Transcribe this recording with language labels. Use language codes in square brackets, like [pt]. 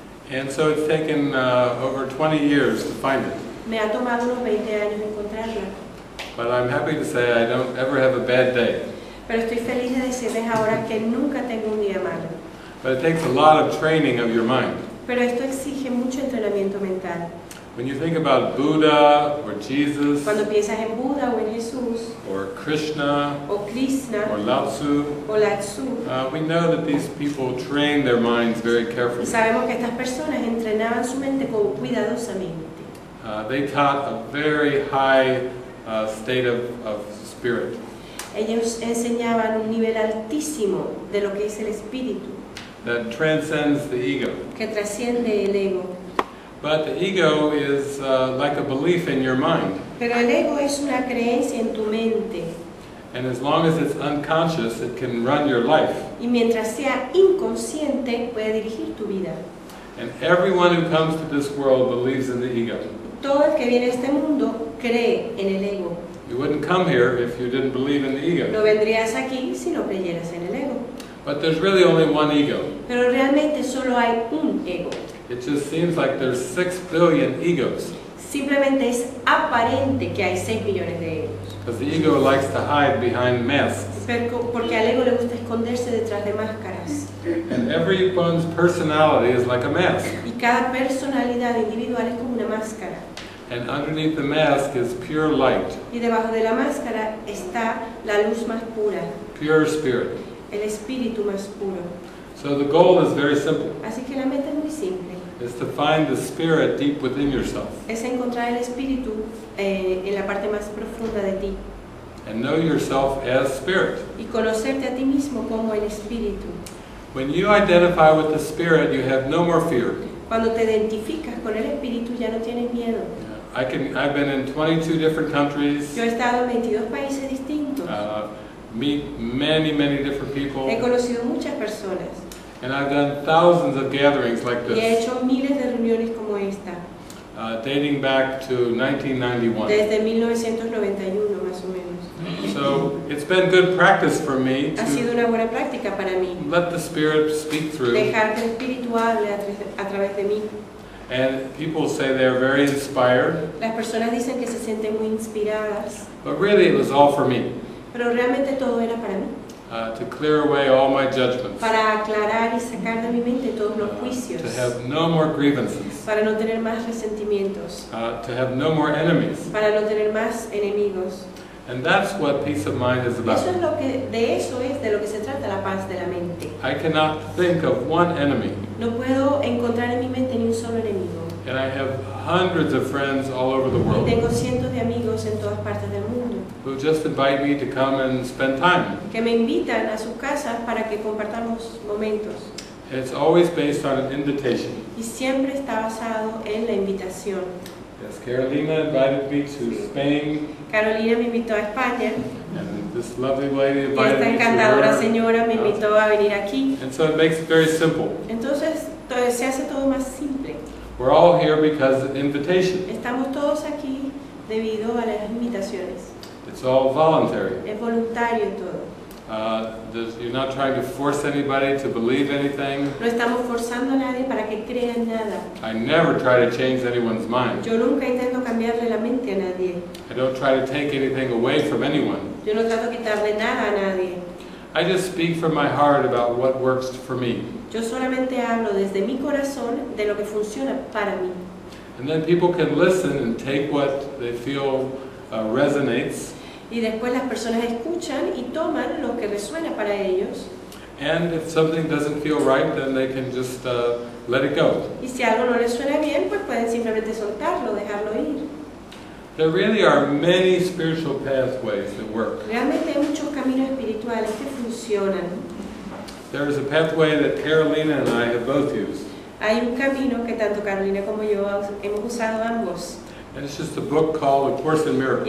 [en] And so it's taken over 20 years to find it. [es] Me ha tomado unos 20 años encontrarla. [en] But I'm happy to say I don't ever have a bad day. [es] Pero estoy feliz de decirles ahora que nunca tengo un día malo. [en] But it takes a lot of training of your mind. [es] Pero esto exige mucho entrenamiento mental. [en] When you think about Buddha or Jesus, [es] cuando piensas en Buda o en Jesús, [en] or Krishna, [es] o Krishna, [en] or Lao Tzu, we know that these people train their minds very carefully. [es] Sabemos que estas personas entrenaban su mente cuidadosamente. [en] They taught a very high state of spirit. [es] Ellos enseñaban un nivel altísimo de lo que es el espíritu. [en] That transcends the ego. [es] Que trasciende el ego. [en] But the ego is like a belief in your mind. [es] Pero el ego es una creencia en tu mente. [en] And as long as it's unconscious, it can run your life. [es] Y mientras sea inconsciente, puede dirigir tu vida. [en] And everyone who comes to this world believes in the ego. [es] Todo el que viene a este mundo cree en el ego. [en] You wouldn't come here if you didn't believe in the ego. [es] No vendrías aquí si no creyeras en el ego. [en] But there's really only one ego. [es] Pero realmente solo hay un ego. [en] It just seems like there's 6 billion egos. [es] Simplemente es aparente que hay 6 billones de egos. [en] Because the ego likes to hide behind masks. [es] Porque al ego le gusta esconderse detrás de máscaras. [en] And everyone's personality is like a mask. [es] Y cada personalidad individual es como una máscara. [en] And underneath the mask is pure light. [es] Y debajo de la máscara está la luz más pura. [en] Pure spirit. [es] El espíritu más puro. [en] So the goal is very simple. [es] Así que la meta es muy simple. [en] It's to find the spirit deep within yourself. [es] Es encontrar el espíritu en la parte más profunda de ti. [en] And know yourself as spirit. [es] Y conocerte a ti mismo como el espíritu. [en] When you identify with the spirit, you have no more fear. [es] Cuando te identificas con el espíritu, ya no tienes miedo. [en] I've been in 22 different countries. [es] Yo he estado en 22 países distintos. [en] Meet many, many different people. [es] He conocido muchas personas. [en] And I've done thousands of gatherings like this. [es] Y he hecho miles de reuniones como esta. [en] Dating back to 1991. [es] Desde 1991, más o menos. [en] So it's been good practice for me. [es] Ha sido una buena práctica para mí. [en] Let the spirit speak through. [es] Dejar que el espíritu hable a través de mí. [en] And people say they're very inspired. [es] Las personas dicen que se sienten muy inspiradas. [en] But really, it was all for me. [es] Pero realmente todo era para mí. [en] To clear away all my judgments. [es] Para aclarar y sacar de mi mente todos los juicios. [en] To have no more grievances. [es] Para no tener más resentimientos. [en] To have no more enemies. [es] Para no tener más enemigos. [en] And that's what peace of mind is about. [es] Eso es lo que, de eso es de lo que se trata la paz de la mente. [en] I cannot think of one enemy. [es] No puedo encontrar en mi mente ni un solo enemigo. [en] And I have hundreds of friends all over the world. [es] Y tengo cientos de amigos en todas partes del mundo. [en] Who just invite me to come and spend time. [es] Que me invitan a sus casas para que compartamos momentos. [en] It's always based on an invitation. [es] Y siempre está basado en la invitación. [en] Yes, Carolina invited me to Spain. [es] Carolina me invitó a España. [en] And this lovely lady invited me to her. [es] Esta encantadora señora me invitó a venir aquí. [en] And so it makes it very simple. [es] Entonces, se hace todo más simple. [en] We're all here because of invitation. [es] Estamos todos aquí debido a las invitaciones. [en] It's all voluntary. [es] Es voluntario todo. [en] You're not trying to force anybody to believe anything. [es] No estamos forzando a nadie para que crea en nada. [en] I never try to change anyone's mind. [es] Yo nunca intento cambiarle la mente a nadie. [en] I don't try to take anything away from anyone. [es] Yo no trato de quitarle nada a nadie. [en] I just speak from my heart about what works for me. [es] Yo solamente hablo desde mi corazón de lo que funciona para mí. [en] And then people can listen and take what they feel resonates. [es] Y después las personas escuchan y toman lo que resuena para ellos. [en] And if something doesn't feel right, then they can just let it go. [es] Y si algo no les suena bien, pues pueden simplemente soltarlo, dejarlo ir. [en] There really are many spiritual pathways that work. [es] Realmente hay muchos caminos espirituales que funcionan. [en] There is a pathway that Carolina and I have both used. [es] Hay un camino que tanto Carolina como yo hemos usado ambos. [en] And it's just a book called A Course in Miracles.